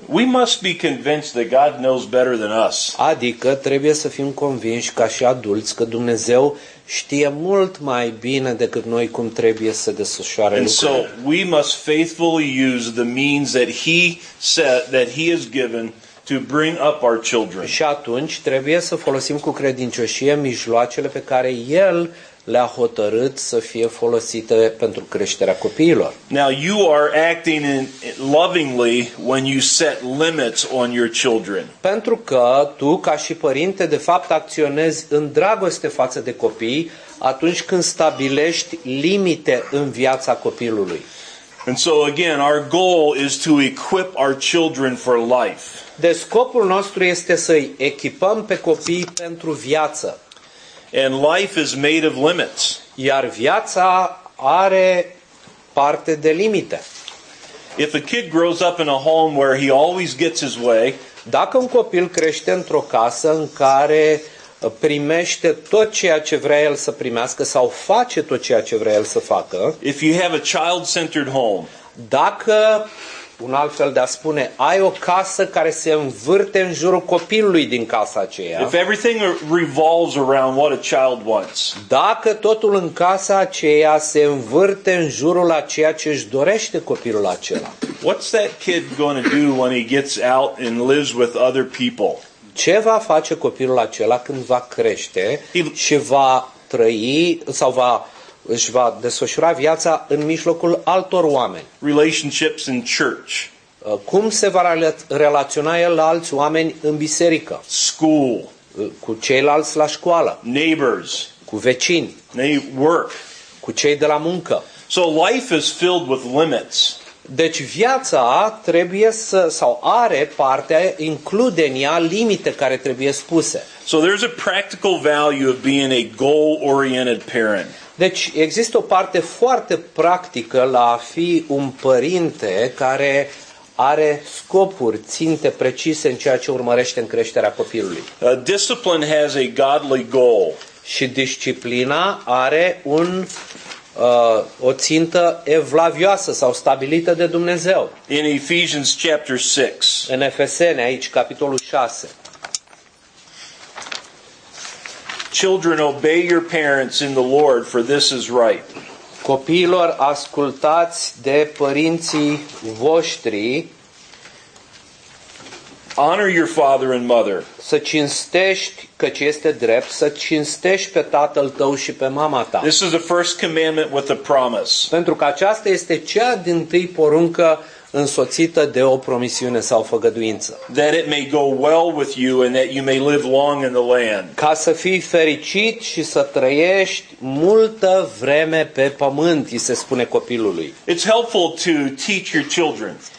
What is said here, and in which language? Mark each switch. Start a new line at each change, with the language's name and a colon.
English: We must be convinced that God knows better than us.
Romanian: Adică trebuie să fim convinși ca și adulți că Dumnezeu știe mult mai bine decât noi cum trebuie să desfășoare lucrurile.
English: And so we must faithfully use the means that he set, that he has given to bring up our children.
Romanian: Și atunci trebuie să folosim cu credincioșie mijloacele pe care el le-a hotărât să fie folosite pentru creșterea copiilor.
English: Now you are acting lovingly when you set limits on your children.
Romanian: Pentru că tu ca și părinte de fapt acționezi în dragoste față de copii atunci când stabilești limite în viața copilului.
English: And so again, our goal is to equip our children for life.
Romanian: Deci scopul nostru este să îi echipăm pe copii pentru viață.
English: And life is made of limits.
Romanian: Iar viața are parte de limite.
English: If a kid grows up in a home where he always gets his way,
Romanian: dacă un copil crește într-o casă în care primește tot ceea ce vrea el să primească sau face tot ceea ce vrea el să facă,
English: if you have a child-centered home,
Romanian: dacă un alt fel de a spune, ai o casă care se învârte în jurul copilului din casa aceea.
English: If everything revolves around what a child wants.
Romanian: Dacă totul în casa aceea se învârte în jurul a ceea ce își dorește copilul acela.
English: What's that kid going to do when he gets out and lives with other people?
Romanian: Ce va face copilul acela când va crește și va trăi sau va își va desfășura viața în mijlocul altor oameni.
English: Relationships in church.
Romanian: Cum se va relaționa el la alți oameni în biserică?
English: School.
Romanian: Cu ceilalți la școală.
English: Neighbors.
Romanian: Cu vecini.
English: Work.
Romanian: Cu cei de la muncă.
English: So life is filled with limits.
Romanian: Deci viața trebuie să sau are partea include în ea limite care trebuie spuse.
English: So there's a practical value of being a goal-oriented parent.
Romanian: Deci există o parte foarte practică la a fi un părinte care are scopuri, ținte precise în ceea ce urmărește în creșterea copilului.
English: Discipline has a godly goal.
Romanian: Și disciplina are un o țintă evlavioasă sau stabilită de Dumnezeu.
English: In Ephesians chapter 6.
Romanian: În Efeseni aici capitolul 6.
English: Children, obey your parents in the Lord, for this is right.
Romanian: Copiilor, ascultați de părinții voștri.
English: Honor your father and mother.
Romanian: Să cinstești, căci este drept, să cinstești pe tatăl tău și pe mama ta.
English: This is the first commandment with a promise.
Romanian: Pentru că aceasta este cea din tâi poruncă însoțită de o promisiune sau făgăduință.
English: That it may go well with you and that you may live long in the land.
Romanian: Ca să fii fericit și să trăiești multă vreme pe pământ, îi se spune copilului.
English: It's helpful to teach your children.